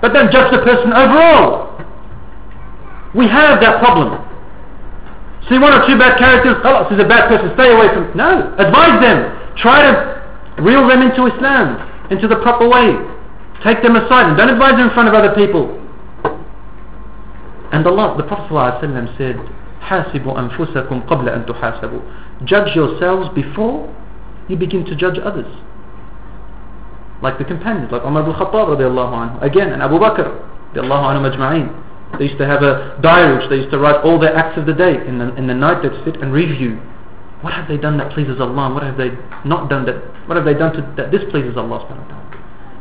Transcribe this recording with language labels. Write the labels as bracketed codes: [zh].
[en] But don't judge the person overall. We have that problem. See one or two bad characters, oh, this is a bad person, stay away from... No, advise them. Try to reel them into Islam, into the proper way. Take them aside and don't advise them in front of other people. And Allah, the Prophet ﷺ said, [ar] حَاسِبُوا أَنفُسَكُمْ قَبْلَ أَن تُحَاسَبُوا. [en] Judge yourselves before you begin to judge others. Like the companions, like Umar ibn Khattab radiallahu anhu, again, and Abu Bakr radiallahu anhu majma'in. They used to have a diary which they used to write all their acts of the day. In the night they'd sit and review. What have they done that pleases Allah? What have they not done that... What have they done to, that displeases Allah subhanahu wa ta'ala?